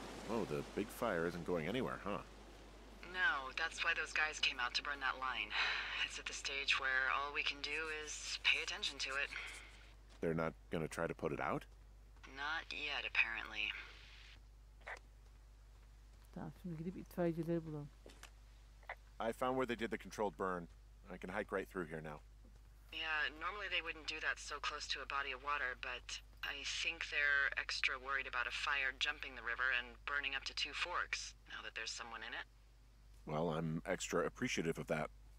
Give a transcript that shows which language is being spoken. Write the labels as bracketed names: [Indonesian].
[English] Oh, the big fire isn't going anywhere, huh? No, that's why those guys came out to burn that line. It's at the stage where all we can do is pay attention to it. They're not gonna try to put it out? Not yet, apparently. [Turkish] Tamam, şimdi gidip itfaiyecileri bulalım. [English] I found where they did the controlled burn. I can hike right through here now. Yeah, normally they wouldn't do that so close to a body of water, but I think they're extra worried about a fire jumping the river and burning up to two forks, now that there's someone in it. Well, I'm extra appreciative of that.